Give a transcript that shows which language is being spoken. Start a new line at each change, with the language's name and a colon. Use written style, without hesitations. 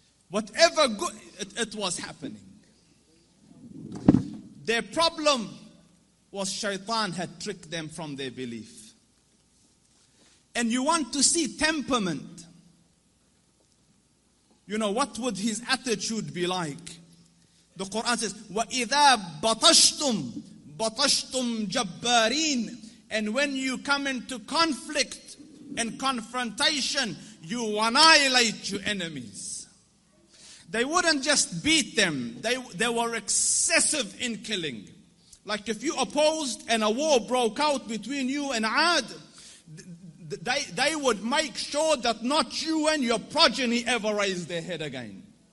English: Whatever good, it was happening. Their problem was shaitan had tricked them from their belief. And you want to see temperament. You know, what would his attitude be like? The Quran says,
Arabic: وَإِذَا بَطَشْتُمْ بَطَشْتُمْ جَبَّارِينَ.
English: And when you come into conflict and confrontation, you annihilate your enemies. They wouldn't just beat them. They were excessive in killing. Like if you opposed and a war broke out between you and Ad, they would make sure that not you and your progeny ever raise their head again.